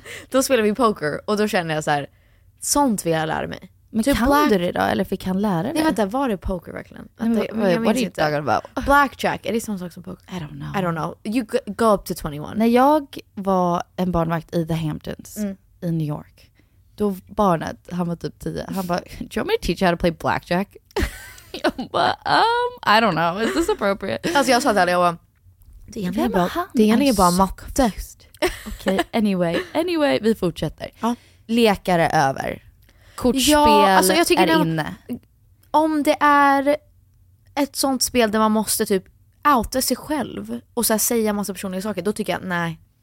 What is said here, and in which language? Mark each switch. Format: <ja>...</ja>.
<sv>Då spelar vi poker och då känner jag så här, sånt vill jag lära mig. Men typ kan du det då, eller fick han lära dig? Nej vänta, var det poker verkligen? Vad är det? Blackjack, är det samma sak som poker?</sv> <en>I don't know. You go up to 21.</en> <sv>När jag var en barnvakt i The Hamptons i New York. Då barnet, han var typ 10. Han bara,</sv> <en>do you want me to teach you how to play blackjack?</en> <sv>Jag bara,</sv> <en>I don't know. Is this appropriate?</en> <sv>Alltså jag sa det här, jag bara, det är egentligen bara matte. Okej, anyway, vi fortsätter. Ja. Lekare över. Kortspel alltså jag tycker är det, inne. Om det är ett sånt spel där man måste typ outa sig själv och så här säga massa personliga saker, då tycker jag, nej.</sv>